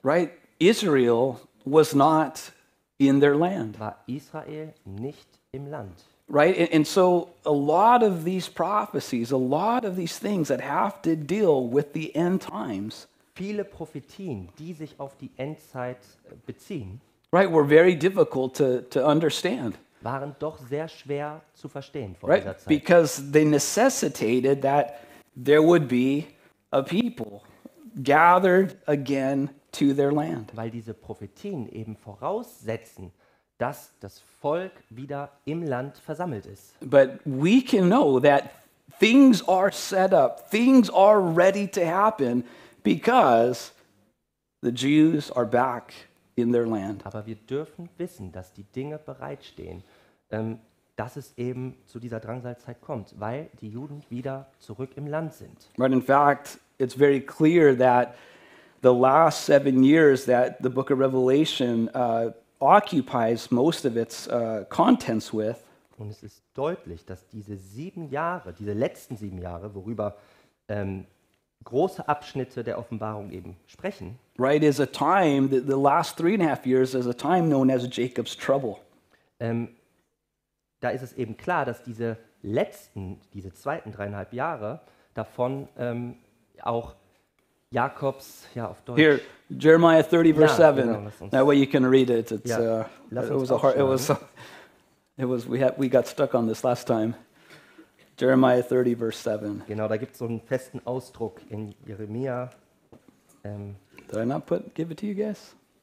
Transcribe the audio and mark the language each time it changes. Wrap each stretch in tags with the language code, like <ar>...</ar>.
<en>Right, Israel was not in their land.</en> <de>War Israel nicht im Land.</de> <en>Right, and so a lot of these prophecies, a lot of these things that have to deal with the end times.</en> <de>Viele Prophetien, die sich auf die Endzeit beziehen.</de> <en>Right, were very difficult to understand.</en> <de>Waren doch sehr schwer zu verstehen vor</de> <en>right,</en> <de>dieser Zeit.</de> <en>Because they necessitated that there would be a people gathered again to their land.</en> <de>Weil diese Prophetien eben voraussetzen, dass das Volk wieder im Land versammelt ist.</de> <en>But we can know that things are set up, things are ready to happen because the Jews are back in their land.</en> <de>Aber wir dürfen wissen, dass die Dinge bereitstehen, dass es eben zu dieser Drangsalzeit kommt, weil die Juden wieder zurück im Land sind.</de> <en>But in fact, it's very clear that the last 7 years that the book of Revelation occupies most of its contents with.</en> <de>Und es ist deutlich, dass diese 7 Jahre, diese letzten 7 Jahre, worüber große Abschnitte der Offenbarung eben sprechen.</de> <en>Right, is a time, the last 3.5 years is a time known as Jacob's trouble.</en> <de>da ist es eben klar, dass diese letzten, diese zweiten 3,5 Jahre davon auch Jakobs, ja, auf Deutsch.</de> <en>Here, Jeremiah 30, verse 7. That way you can read it. It's, ja, it was a hard, it was, it was, we got stuck on this last time. Jeremiah 30, verse 7.</en> <de>Genau, da gibt es so einen festen Ausdruck in Jeremia.</de> <en>Did I not put, give it to you guys?</en>